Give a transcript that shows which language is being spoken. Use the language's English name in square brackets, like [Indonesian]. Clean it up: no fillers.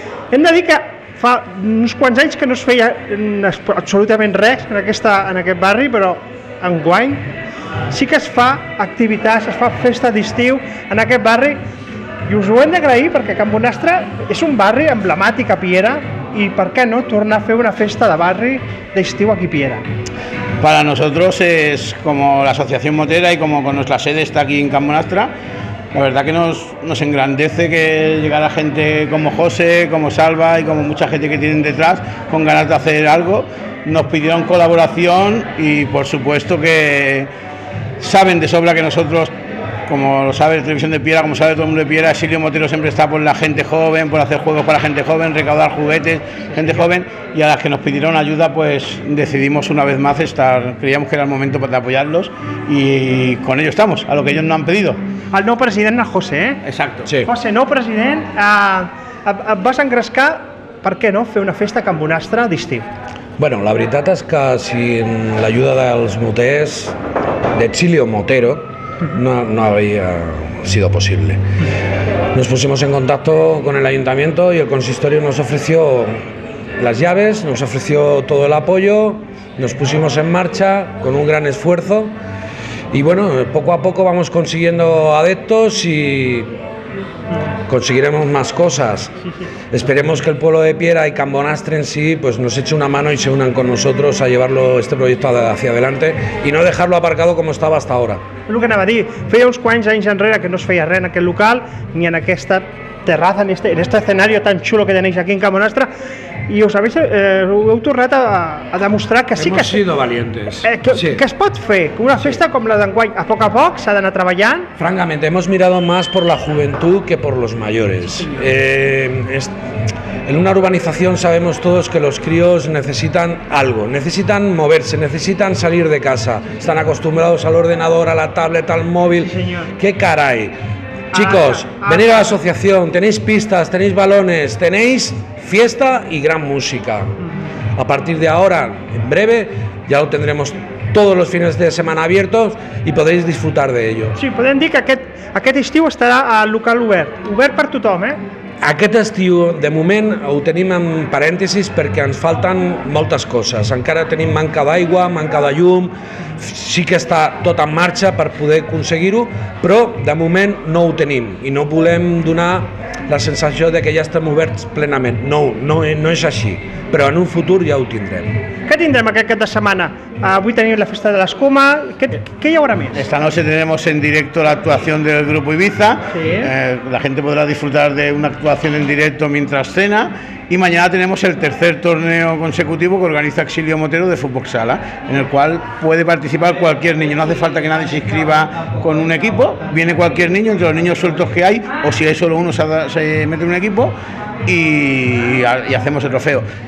[Catalan] Hem de dir que fa uns quants anys que no es feia absolutament res en aquesta, en aquest barri, però enguany sí que es fa activitats, es fa festa d'estiu en aquest barri I us ho hem d'agrair perquè Can Bonastre és un barri emblemàtic a Piera [Spanish] y por qué no tornar a hacer una fiesta de barri de estiu aquí Piera. Para nosotros es como la Asociación Motera y como con nuestra sede está aquí en Can Bonastre, la verdad que nos engrandece que llegara gente como José, como Salva y como mucha gente que tienen detrás con ganas de hacer algo, nos pidieron colaboración y por supuesto que saben de sobra que nosotros, como lo sabe la Televisión de Piera, como sabe todo el mundo de Piera, Silvio Motero siempre está por la gente joven, por hacer juegos para gente joven, recaudar juguetes, gente joven, y a las que nos pidieron ayuda, pues decidimos una vez más estar, creíamos que era el momento para apoyarlos, y con ello estamos, a lo que ellos nos han pedido. Al nuevo presidente, a José, ¿eh? Exacto. Sí. José, nuevo presidente, vas a engrescar, ¿por qué no?, [Catalan] fer una festa a Can Bonastre d'estiu. Bueno, la veritat és que sin l'ajuda dels moters, de Silvio Motero, [Spanish] no había sido posible. Nos pusimos en contacto con el ayuntamiento y el consistorio nos ofreció las llaves, nos ofreció todo el apoyo, nos pusimos en marcha con un gran esfuerzo y bueno, poco a poco vamos consiguiendo adeptos y conseguiremos más cosas. Esperemos que el pueblo de Piera y Can Bonastre en sí pues nos eche una mano y se unan con nosotros a llevarlo este proyecto hacia adelante y no dejarlo aparcado como estaba hasta ahora. [Catalan] El que anava a dir, feia uns quants anys enrere que no es feia res en aquest local [Spanish] ni en aquesta terraza, ni en este escenario tan xulo que tenéis aquí en Can Bonastre, [Catalan] i us habéis, heu tornat a demostrar que sí que [Spanish] hemos sido valientes. [Catalan] Que es pot fer una festa com la d'enguany, a poc s'ha d'anar treballant. [Spanish] Francament, hemos mirado más por la juventud que por los mayores. En una urbanización sabemos todos que los críos necesitan algo, necesitan moverse, necesitan salir de casa. Están acostumbrados al ordenador, a la tablet, al móvil. Sí, señor. ¡Qué caray! Chicos, venid a la asociación, tenéis pistas, tenéis balones, tenéis fiesta y gran música. A partir de ahora, en breve, ya lo tendremos todos los fines de semana abiertos y podréis disfrutar de ello. [Catalan] Sí, podem dir que aquest estiu estarà al local obert, obert per tothom, eh? Aquest estiu, de moment, ho tenim en parèntesis perquè ens falten moltes coses. Encara tenim manca d'aigua, manca de llum, sí que està tot en marxa per poder aconseguir-ho, però de moment no ho tenim I no volem donar la sensació que ja estem oberts plenament. No és així, però en un futur ja ho tindrem. Què tindrem aquest cap de setmana? Avui tenim la festa de l'escuma, què hi haurà més? [Spanish] Esta noche tenemos en directo la actuación del grupo Ibiza, la gente podrá disfrutar de una actuación en directo mientras cena, y mañana tenemos el tercer torneo consecutivo que organiza Silvio Motero de Fútbol Sala, en el cual puede participar cualquier niño, no hace falta que nadie se inscriba con un equipo, viene cualquier niño, entre los niños sueltos que hay, o si hay solo uno se mete en un equipo y hacemos el trofeo.